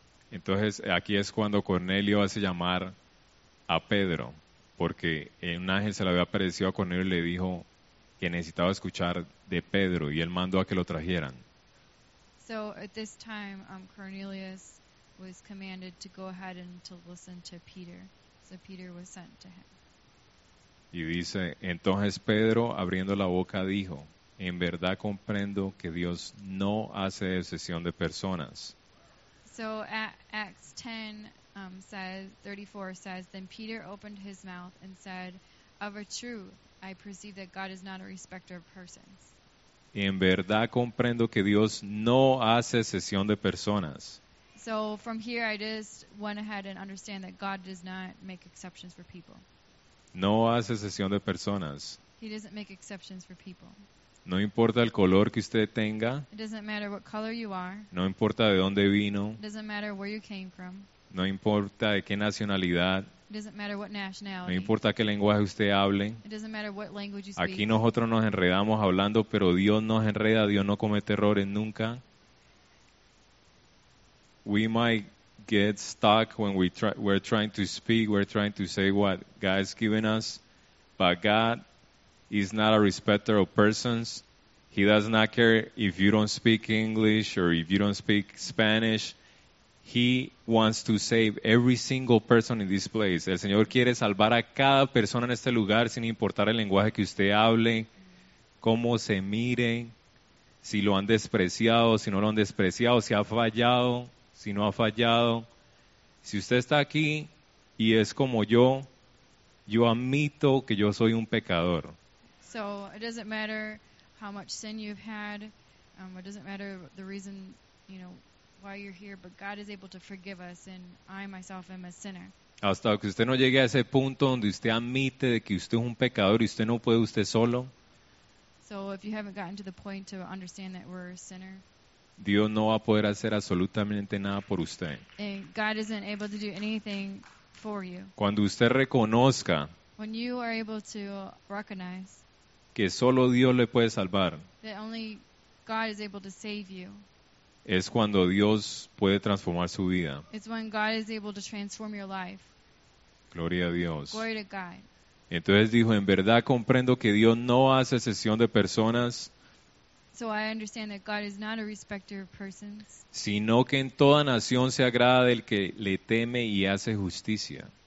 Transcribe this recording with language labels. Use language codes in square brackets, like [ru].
[es] Entonces aquí es cuando Cornelio hace llamar a Pedro, porque un ángel se le había aparecido a Cornelio y le dijo que necesitaba escuchar de Pedro, y él mandó a que lo trajeran. [en] So at this time, Cornelius was commanded to go ahead and to listen to Peter. So Peter was sent to him. [es] Y dice, entonces Pedro, abriendo la boca, dijo, en verdad comprendo que Dios no hace excepción de personas. [en] So Acts 10, 34 says, then Peter opened his mouth and said, of a truth, I perceive that God is not a respecter of persons. [es] En verdad comprendo que Dios no hace excepción de personas. [en] So from here I just went ahead and understand that God does not make exceptions for people. [es] No hace excepción de personas. [en] He doesn't make exceptions for people. [es] No importa el color que usted tenga. [en] It doesn't matter what color you are. [es] No importa de dónde vino. [en] It doesn't matter where you came from. [es] No importa de qué nacionalidad. [en] It doesn't matter what nationality. [es] No importa qué lenguaje usted hable. [en] It doesn't matter what language you speak. [es] Aquí nosotros nos enredamos hablando, pero Dios nos enreda. Dios no comete errores nunca. [en] We might get stuck when we're trying to speak. We're trying to say what God has given us. But God is not a respecter of persons. He does not care if you don't speak English or if you don't speak Spanish. He wants to save every single person in this place. [es] El Señor quiere salvar a cada persona en este lugar sin importar el lenguaje que usted hable, cómo se miren, si lo han despreciado, si no lo han despreciado, si ha fallado, si no ha fallado. Si usted está aquí y es como yo, Yo admito que yo soy un pecador. [en] So it doesn't matter how much sin you've had. It doesn't matter the reason, you know, why you're here. But God is able to forgive us, and I myself am a sinner. [es] Hasta que usted no llegue a ese punto donde usted admite de que usted es un pecador y usted no puede usted solo. [en] So if you haven't gotten to the point to understand that we're a sinner. [es] Dios no va a poder hacer absolutamente nada por usted. [en] And God isn't able to do anything for you. [es] Cuando usted reconozca. [en] When you are able to recognize. [es] Que solo Dios le puede salvar. [en] That only God is able to save you. [es] Es cuando Dios puede transformar su vida. [en] It's when God is able to transform your life. [es] Gloria a Dios. [en] Glory to God. [es] Entonces dijo, en verdad comprendo que Dios no hace excepción de personas. [en] So I understand that God is not a respecter of persons. [es] Sino que en toda nación se agrada del que le teme y hace justicia.